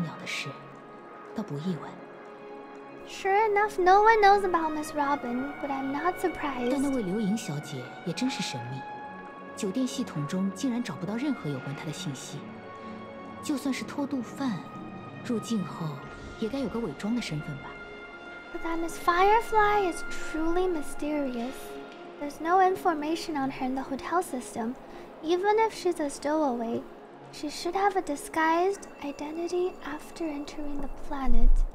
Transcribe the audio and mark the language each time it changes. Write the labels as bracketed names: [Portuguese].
[Chinese] 果然没人知道知更鸟的事，倒不意外。 [English] Sure enough, no one knows about Miss Robin, but I'm not surprised. [Chinese] 但那位刘莹小姐也真是神秘。酒店系统中竟然找不到任何有关她的信息。就算是偷渡犯，入境后也该有个伪装的身份吧。 [English] But that Miss Firefly is truly mysterious. There's no information on her in the hotel system. Even if she's a stowaway, she should have a disguised identity after entering the planet.